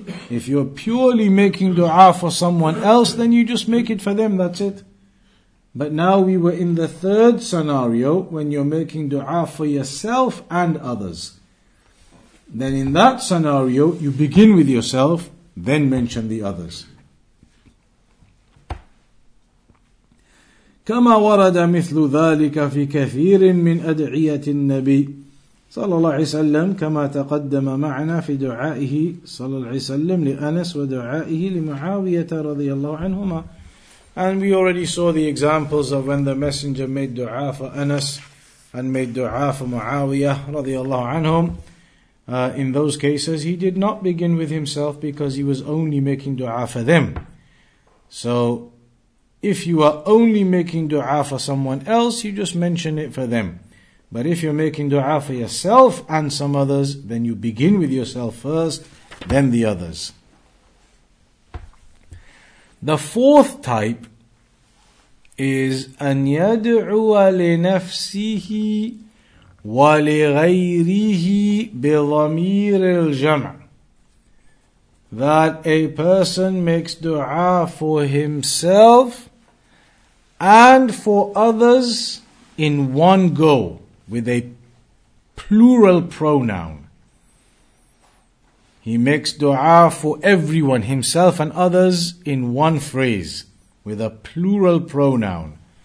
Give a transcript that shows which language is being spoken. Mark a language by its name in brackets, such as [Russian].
[English] If you're purely making dua for someone else, then you just make it for them, that's it. But now we were in the third scenario, when you're making dua for yourself and others. Then in that scenario, you begin with yourself, then mention the others. [Arabic] كما ورد مثل ذلك في كثير من أدعية النبي صلى الله عليه وسلم كما تقدم معنا في دعائه صلى الله عليه وسلم لأنس ودعائه لمعاوية رضي الله عنهما. [English] And we already saw the examples of when the messenger made dua for Anas and made dua for Muawiyah رضي الله عنهم. In those cases, he did not begin with himself because he was only making dua for them. So if you are only making dua for someone else, you just mention it for them. But if you're making dua for yourself and some others, then you begin with yourself first, then the others. The fourth type is [Arabic] أن يدعو لنفسه ولغيره بضمير الجمع. [English] That a person makes dua for himself and for others in one go, with a plural pronoun. He makes dua for everyone, himself and others, in one phrase, with a plural pronoun.